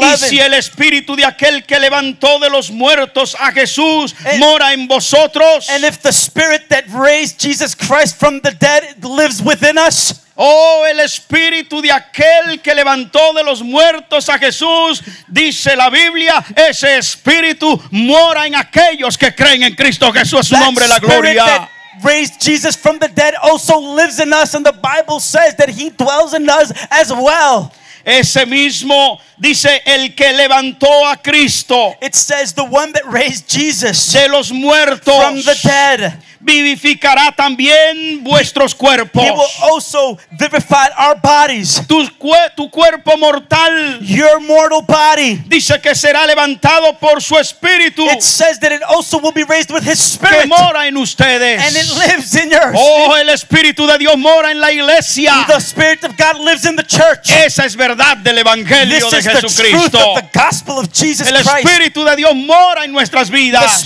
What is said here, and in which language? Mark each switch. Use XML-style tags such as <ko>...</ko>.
<es>Y si el espíritu de aquel que levantó de los muertos a Jesús mora en vosotros,</es> <en>and if the spirit that raised Jesus Christ from the dead lives within us,</en> <es>oh, el espíritu de aquel que levantó de los muertos a Jesús, dice la Biblia, ese espíritu mora en aquellos que creen en Cristo Jesús, su nombre la gloria.</es> <en>Raised Jesus from the dead also lives in us, and the Bible says that he dwells in us as well.</en> <es>Ese mismo dice el que levantó a Cristo.</es> <en>It says the one that raised Jesus</en> <es>de los muertos</es> <en>from the dead</en> <es>vivificará también vuestros cuerpos.</es> <en>He will also vivify our bodies.</en> <es>Tu cuerpo mortal.</es> <en>Your mortal body.</en> <es>Dice que será levantado por su espíritu.</es> <en>It says that it also will be raised with his spirit.</en> <es>Que mora en ustedes.</es> <en>And it lives in your.</en> <es>Oh, el espíritu de Dios mora en la iglesia.</es> <en>The spirit of God lives in the church.</en> <es>Esa es verdad del evangelio</es> <en>This</en> <es>de Jesucristo.</es> <en>This is the truth of the gospel of Jesus</en> <es>el</es> <en>Christ.</en> <es>El espíritu de Dios mora en nuestras vidas.</es>